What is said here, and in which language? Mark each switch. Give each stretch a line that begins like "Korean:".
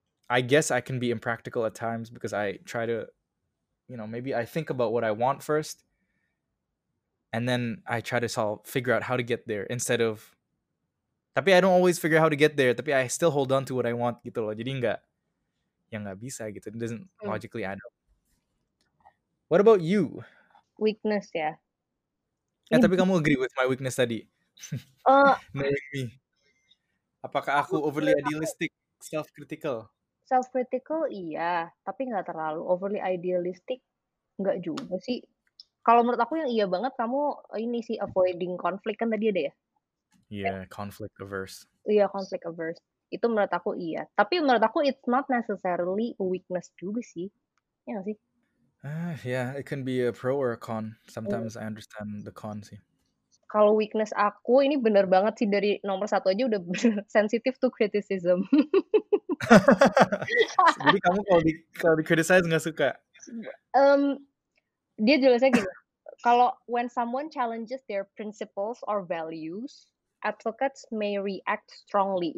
English: I guess I can be impractical at times because I try to, you know, maybe I think about what I want first, and then I try to figure out how to get there instead of. Tapi I don't always figure how to get there, tapi I still hold on to what I want
Indonesian: gitu loh. Jadi enggak yang enggak bisa gitu.
English: It doesn't logically add up. What about you?
Indonesian: Weakness ya.
English: Yeah,
Indonesian: tapi kamu
English: agree with my weakness tadi. Knowing me.
Indonesian: Apakah aku
English: overly idealistic, self-critical?
Indonesian: Self-critical iya, tapi enggak terlalu overly idealistic. Enggak juga sih. Kalau menurut aku yang iya banget kamu ini sih avoiding conflict kan tadi ada ya.
English: Iya, yeah, conflict averse.
Indonesian: Iya, yeah, conflict averse. Itu menurut aku iya. Tapi menurut aku
English: it's not necessarily a weakness
Indonesian: juga sih. Iya gak sih?
English: Yeah, it can be a pro or a con. Sometimes I understand the con sih.
Indonesian: Kalau weakness aku, ini benar banget sih dari nomor satu aja udah bener.
English: Sensitive to criticism.
Indonesian: Jadi kamu kalau di criticize gak suka? Dia jelasnya gini.
English: Kalau when someone challenges their principles or values, advocates may react strongly.